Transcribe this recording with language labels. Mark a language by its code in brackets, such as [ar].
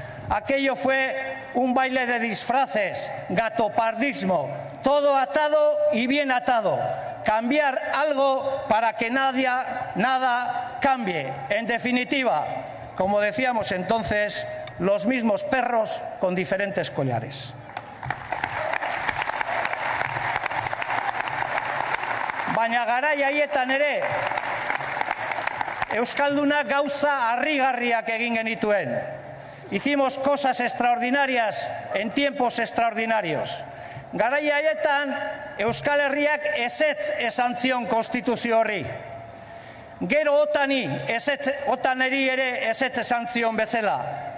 [es] Aquello fue un baile de disfraces, gatopardismo, todo atado y bien atado. Cambiar algo para que nada cambie. En definitiva, como decíamos entonces, los mismos perros con diferentes collares. [eu] Baina garai haietan ere, euskaldunak gauza harrigarriak egin genituen. [es] Hicimos cosas extraordinarias en tiempos extraordinarios. [eu] Garai haietan, Euskal Herriak ezetz esan zion konstituzio horri. Gero otaneri ere ezetz esan zion bezala.